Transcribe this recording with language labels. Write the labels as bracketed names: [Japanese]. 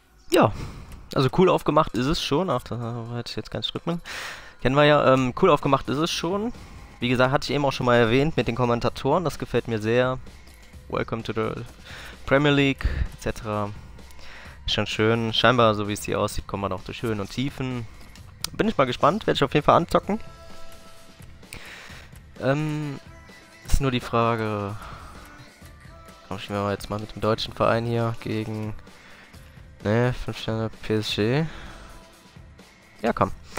[German] Ja, also cool aufgemacht ist es schon. Ach, da hätte ich jetzt keinen Schritt mehr. Kennen wir ja, cool aufgemacht ist es schon. Wie gesagt, hatte ich eben auch schon mal erwähnt mit den Kommentatoren. Das gefällt mir sehr. [English] Welcome to the Premier League, etc. [German] Schon schön. Scheinbar, so wie es hier aussieht, kommen wir noch durch Höhen und Tiefen. Bin ich mal gespannt. Werde ich auf jeden Fall anzocken. Ist nur die Frage. Komm, spielen wir jetzt mal mit dem deutschen Verein hier gegen. Ne, 5 Sterne PSG. Ja, komm.